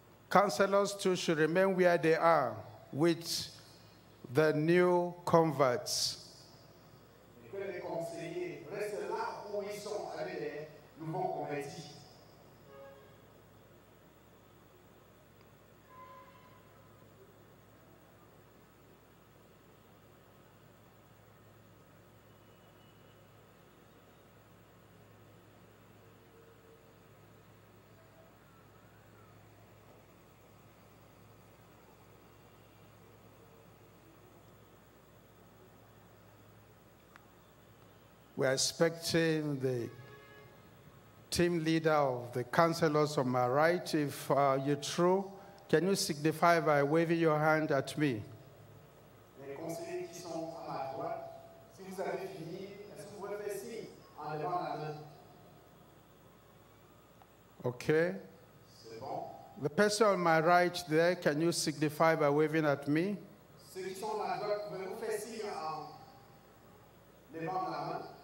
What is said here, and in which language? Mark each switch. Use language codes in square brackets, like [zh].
[en] Counselors too should remain where they are with the new converts. [fr] Que les conseillers restent là où ils sont avec les nouveaux convertis. [en] We are expecting the team leader of the counselors on my right. If you're true, can you signify by waving your hand at me? [fr] Les conseillers qui sont à ma droite, si vous avez fini, est-ce que vous pouvez faire signe en levant la main? [en] Okay. [fr] C'est bon. [en] The person on my right there, can you signify by waving at me? [fr] Ceux qui sont à ma droite, pouvez-vous faire signe en levant la main?